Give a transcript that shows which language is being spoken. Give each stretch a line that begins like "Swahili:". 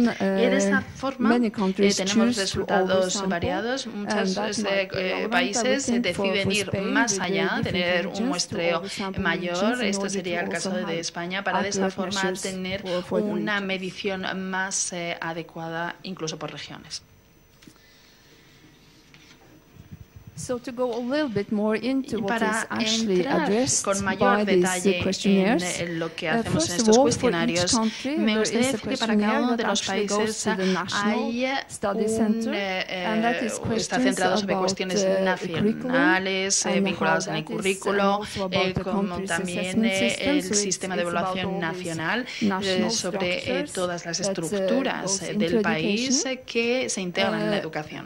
Spanish: Y de esa forma tenemos resultados variados. Muchos países deciden ir más allá, tener un muestreo mayor. Esto sería el caso de España, para de esa forma tener una medición más adecuada incluso por regiones.
English: So to go a little bit more into what is actually addressed
Spanish: con mayor
English: by these questionnaires.
Spanish: En lo que hacemos en estos cuestionarios, me gustaría decir que para cada uno de los países hay está centrado sobre cuestiones nacionales vinculadas en el currículo, como también el sistema de evaluación nacional, sobre todas las estructuras del país que se integran en la educación.